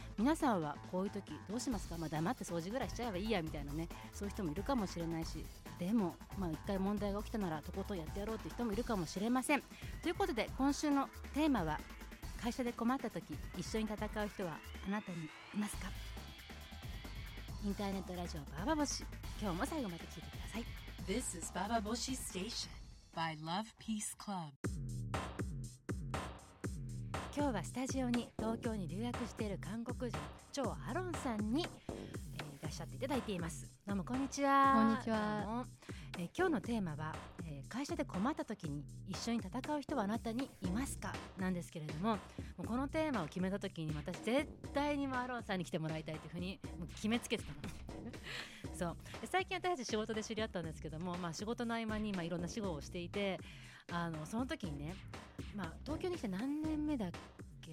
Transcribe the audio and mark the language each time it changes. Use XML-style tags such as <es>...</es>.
<ja>皆さんはこういう時どうしますか？まあ、黙って掃除ぐらいしちゃえばいいやみたいなね、そういう人もいるかもしれないし、でも、まあ、1回問題が起きたならとことんやってやろうという人もいるかもしれません。ということで今週のテーマは、会社で困った時一緒に戦う人はあなたにいますか？インターネットラジオババボシ、今日も最後まで聞いてください。</ja> <en>This is Baba Boshi Station by Love Peace Club。</en> <ja>今日はスタジオに東京に留学している韓国人チョ・アロンさんに、いらっしゃっていただいています。どうもこんにちは。こんにちは。今日のテーマは、会社で困った時に一緒に戦う人はあなたにいますか、なんですけれども、もうこのテーマを決めた時に私絶対にもアロンさんに来てもらいたいというふうにもう決めつけてたのそう、最近私たち仕事で知り合ったんですけども、まあ、仕事の合間に、まあ、いろんな仕事をしていて、その時にね、まあ、東京に来て何年目だっけ、</ja>